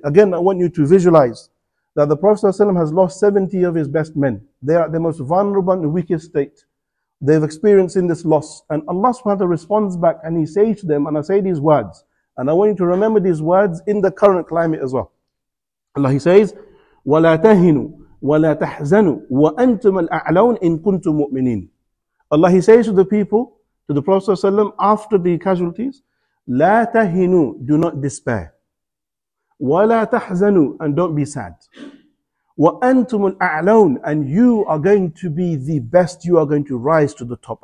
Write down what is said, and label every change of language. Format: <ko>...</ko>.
<en>Again, I want you to visualize that the Prophet ﷺ has lost 70 of his best men. They are the most vulnerable and weakest state. They've experienced in this loss. And Allah subhanahu wa ta'ala responds back and he says to them, and I say these words, and I want you to remember these words in the current climate as well. Allah, he says,</en> <ar>وَلَا تَهِنُوا وَلَا تَحْزَنُوا وَأَنْتُمَ الْأَعْلَوْنَ إِن كُنْتُمْ مُؤْمِنِينَ.</ar> <en>Allah, he says to the people, to the Prophet ﷺ, after the casualties,</en> <ar>لَا تَهِنُوا,</ar> <en>do not despair.</en> <ar>وَلَا تَحْزَنُوا,</ar> <en>and don't be sad.</en> <ar>وَأَنْتُمُ الْأَعْلَوْنَ,</ar> <en>and you are going to be the best, you are going to rise to the top.</en>